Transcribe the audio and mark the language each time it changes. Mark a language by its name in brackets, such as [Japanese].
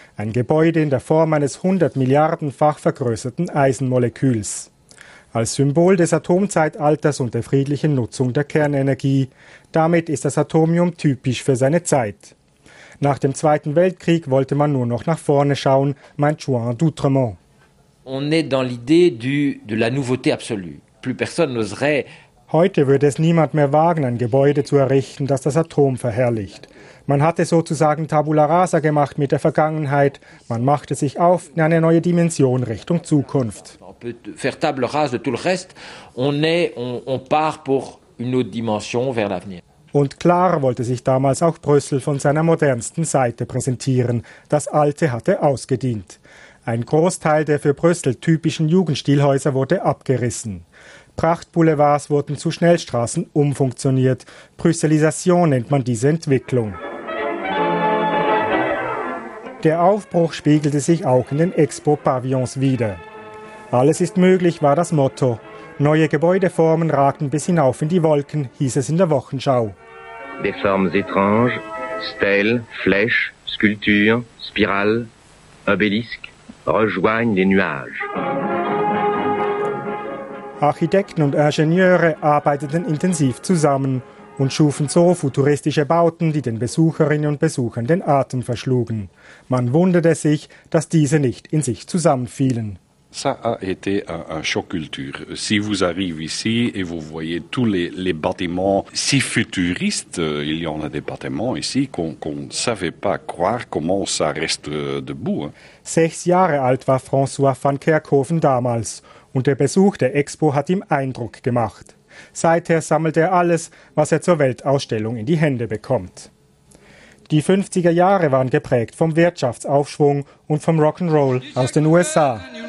[German] Ein Gebäude in der Form eines 100 Milliardenfach vergrößerten Eisenmoleküls. Als Symbol des Atomzeitalters und der friedlichen Nutzung der Kernenergie. Damit ist das Atomium typisch für seine Zeit. Nach dem Zweiten Weltkrieg wollte man nur noch nach vorne schauen, meint Juan d'Outremont. [French] On est dans l'idée de la nouveauté absolue. Plus personne n'oserait. [German] Heute würde es niemand mehr wagen, ein Gebäude zu errichten, das das Atom verherrlicht. Man hatte sozusagen Tabula rasa gemacht mit der Vergangenheit. Man machte sich auf in eine neue Dimension Richtung Zukunft. [French] On peut faire table rase de tout le reste. On part pour une autre dimension vers l'avenir. [German] Und klar wollte sich damals auch Brüssel von seiner modernsten Seite präsentieren. Das Alte hatte ausgedient. Ein Großteil der für Brüssel typischen Jugendstilhäuser wurde abgerissen. Prachtboulevards wurden zu Schnellstraßen umfunktioniert. Brüsselisation nennt man diese Entwicklung. Der Aufbruch spiegelte sich auch in den Expo-Pavillons wider. Alles ist möglich, war das Motto. Neue Gebäudeformen ragten bis hinauf in die Wolken, hieß es in der Wochenschau. [French] Des formes étranges, stèles, flèches, sculptures, spirales, obélisques rejoignent les nuages. [German] Architekten und Ingenieure arbeiteten intensiv zusammen und schufen so futuristische Bauten, die den Besucherinnen und Besuchern den Atem verschlugen. Man wunderte sich, dass diese nicht in sich zusammenfielen. [French] Ça a été un choc culture. Si vous arrivez ici et vous voyez tous les bâtiments si futuristes, il y en a des bâtiments ici qu'on ne savait pas croire comment ça reste debout. [German] 6 Jahre alt war François van Kerkhoven damals und der Besuch der Expo hat ihm Eindruck gemacht. Seither sammelt er alles, was er zur Weltausstellung in die Hände bekommt. Die 50er Jahre waren geprägt vom Wirtschaftsaufschwung und vom Rock'n'Roll aus den USA.